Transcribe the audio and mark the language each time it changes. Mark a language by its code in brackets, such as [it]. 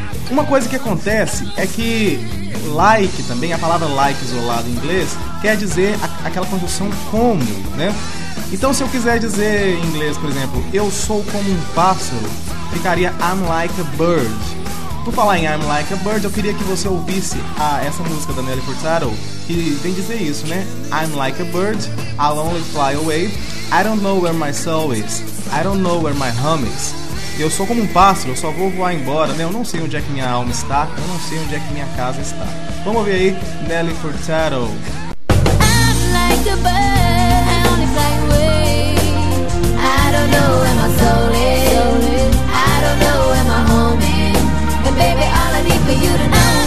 [pt] Uma coisa que acontece é que like também, a palavra like isolada em inglês, quer dizer aquela conjunção como, né? Então, se eu quiser dizer em inglês, por exemplo, eu sou como um pássaro, ficaria [en] I'm like a bird. [pt] Por falar em [en] I'm like a bird, [pt] eu queria que você ouvisse essa música da Nelly Furtado, que vem dizer isso, né? [en] I'm like a bird, I'll only fly away, I don't know where my soul is, I don't know where my home is. [pt] Eu sou como um pássaro, eu só vou voar embora, né? Eu não sei onde é que minha alma está, eu não sei onde é que minha casa está. Vamos ouvir aí, Nelly Furtado. [en] I'm like a bird, I only fly away. I don't know where my soul is. I don't know where my home is. And baby, all I need for you to know.